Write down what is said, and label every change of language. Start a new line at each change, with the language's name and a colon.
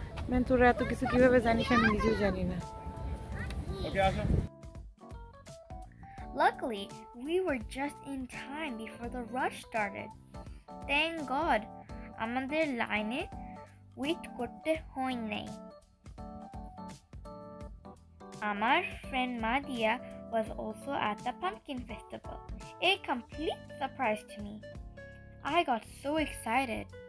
Bangla: Main তোর এত কিছু কিভাবে জানিস আমি নিজেও জানি না।
English: Luckily, we were just in time before the rush started.
Bangla: Thank God, আমাদের লাইনে wait করতে হয়নি। আমার
English: friend Madia was also at the pumpkin festival. A complete surprise to me. I got so excited.